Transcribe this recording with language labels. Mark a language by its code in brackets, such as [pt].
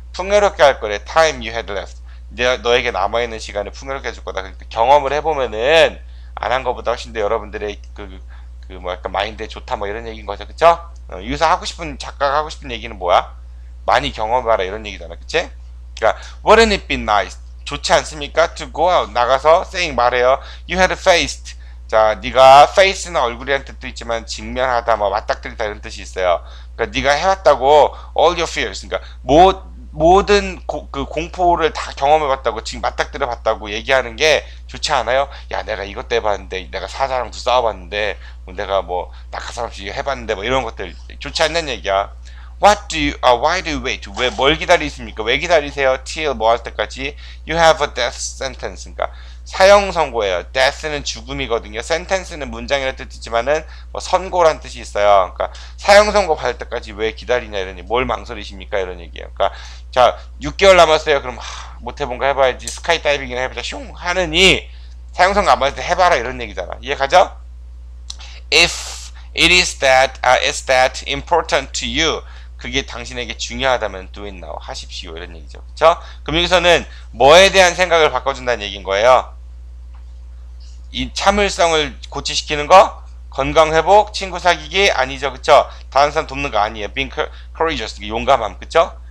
[ko] 풍요롭게 할 거래. [en] time you had left. [ko] 너에게 남아있는 시간을 풍요롭게 해줄 거다. 그러니까 경험을 해보면은 안한 것보다 훨씬 더 여러분들의 뭐 약간 마인드에 좋다 뭐 이런 얘기인 거죠. 그쵸? 여기서 하고 싶은 작가가 하고 싶은 얘기는 뭐야? 많이 경험해봐라 이런 얘기잖아, 그치? [en] 그러니까 wouldn't it be nice? [ko] 좋지 않습니까? [en] To go out [ko] 나가서 [en] saying [ko] 말해요. [en] You had faced. [ko] 자, 네가 face는 얼굴이란 뜻도 있지만 직면하다, 뭐 맞닥뜨리다 이런 뜻이 있어요. 그러니까 네가 해왔다고 all your fears. 그러니까 뭐 모든 그 공포를 다 경험해봤다고, 지금 맞닥뜨려봤다고 얘기하는 게 좋지 않아요? 야, 내가 이것도 해봤는데, 내가 사자랑도 싸워봤는데, 내가 뭐, 낙하산 없이 해봤는데, 뭐, 이런 것들, 좋지 않는 얘기야. [en] What do you, why do you wait? [ko] 왜, 뭘 기다리십니까? 왜 기다리세요? Till 뭐할 때까지? [en] You have a death sentence. [ko] 그러니까, 사형 선고예요. Death는 죽음이거든요. Sentence는 문장이라는 뜻이지만은, 뭐, 선고란 뜻이 있어요. 그러니까, 사형 선고 받을 때까지 왜 기다리냐, 이런 얘기. 뭘 망설이십니까? 이런 얘기예요. 그러니까, 자, 6개월 남았어요. 그럼, 못 해본 거 해봐야지. 스카이다이빙이나 해보자. 슝! 하느니, 사형 선고 안 받을 때 해봐라. 이런 얘기잖아. 이해 가죠? [en] If it is that, is that important to you? [ko] 그게 당신에게 중요하다면 [en] do it now [ko] 하십시오 이런 얘기죠. 그렇죠? 그럼 여기서는 뭐에 대한 생각을 바꿔준다는 얘기인 거예요. 이 참을성을 고취시키는 거, 건강 회복, 친구 사귀기 아니죠, 그렇죠? 다른 사람 돕는 거 아니에요. [en] Being courageous, [ko] 용감함, 그렇죠?